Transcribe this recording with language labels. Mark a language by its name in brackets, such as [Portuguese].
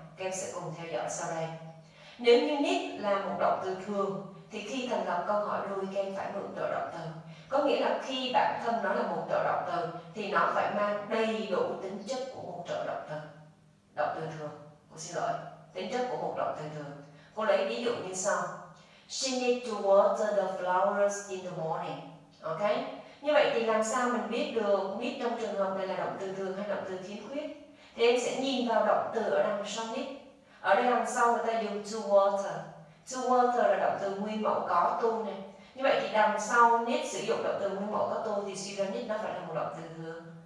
[Vietnamese] Em sẽ cùng theo dõi sau đây. Nếu như need là một động từ thường thì khi cần gặp câu hỏi đuôi em phải mượn trợ động từ. Có nghĩa là khi bản thân nó là một trợ động từ thì nó phải mang đầy đủ tính chất của một trợ động từ. Động từ thường, cô xin lỗi, tính chất của một động từ thường. Cô lấy ví dụ như sau. [English] She needs to water the flowers in the morning. Ok? [Vietnamese] Như vậy thì làm sao mình biết được need trong trường hợp này là động từ thường hay động từ khiếm khuyết? Thì em sẽ nhìn vào động từ ở đằng sau need. Ở đây đằng sau người ta dùng to water. To water là động từ nguyên mẫu có to này. Như vậy thì đằng sau need sử dụng động từ nguyên mẫu có to thì suy ra need nó phải là một động từ thường.